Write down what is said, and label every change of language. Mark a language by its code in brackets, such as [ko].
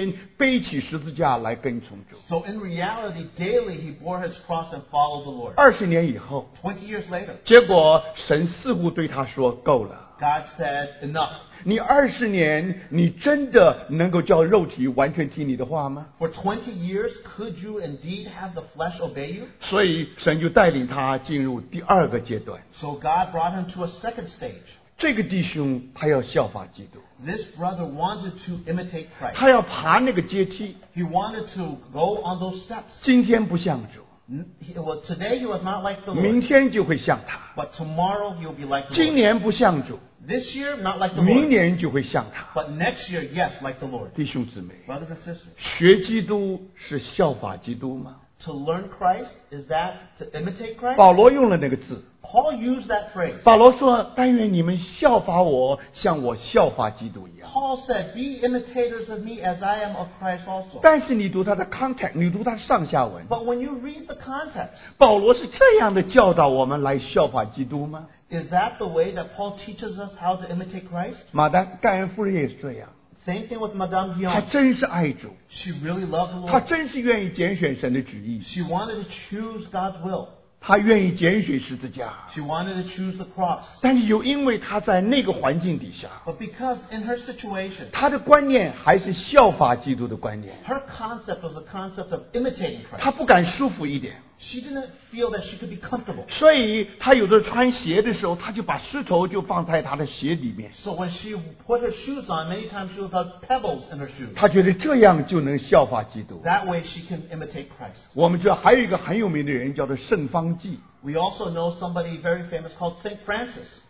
[zh] 他实际上真是天天背起十字架来跟从主。 [en] So in reality, daily he bore his cross and followed the Lord. [zh] 20年以后, [en] 20 years later, [zh] 结果神似乎对他说够了。 [en] God said, enough. [zh] 你20年, 你真的能够叫肉体完全听你的话吗? [en] For 20 years, could you indeed have the flesh obey you? [zh] 所以神就带领他进入第二个阶段。 [en] So God brought him to a second stage. [zh] 这个弟兄他要效法基督。 [en] This brother wanted to imitate Christ. [zh] 他要爬那个阶梯。 [en] He wanted to go on those steps. [zh] 今天不像主。 [en] Today he was not like the Lord. [zh] 明天就会像他。 [en] But tomorrow he will be like the Lord. [zh] 今年不像主。 [en] This year, not like the Lord. [zh] 明年就会像他。 [en] But next year, yes, like the Lord. [zh] 弟兄姊妹, [en] brothers and sisters, [zh] 学基督是效法基督吗? [en] To learn Christ, is that to imitate Christ? [zh] 保罗用了那个字。 [en] Paul used that phrase. [zh] 保罗说，但愿你们效法我，像我效法基督一样。 [en] Paul said, be imitators of me as I am of Christ also. [zh] 但是你读他的 context, 你读他上下文。 [en] But when you read the context, [zh] 保罗是这样的教导我们来效法基督吗？ [en] Is that the way that Paul teaches us how to imitate Christ? [zh] 马丹盖恩夫人也是这样。 [en] Same thing with Madame Guillaume. [zh] 她真是爱主。 [en] She really loved the Lord. [zh] 她真是愿意拣选神的旨意。 [en] She wanted to choose God's will. [zh] 她愿意拣选十字架。 [en] She wanted to choose the cross. [zh] 但是又因为她在那个环境底下。 [en] But because in her situation. [zh] 她的观念还是效法基督的观念。 [en] Her concept was the concept of imitating Christ. [zh] 她不敢舒服一点。 [en] She didn't feel that she could be comfortable. [zh] 所以她有的穿鞋的时候，她就把石头就放在她的鞋里面。 [en] So when she put her shoes on, many times she would put pebbles in her shoes. [zh] 她觉得这样就能效法基督。 [en] That way she can imitate Christ. [zh] 我们知道还有一个很有名的人叫做圣方济。 [en] We also know somebody very famous called Saint Francis.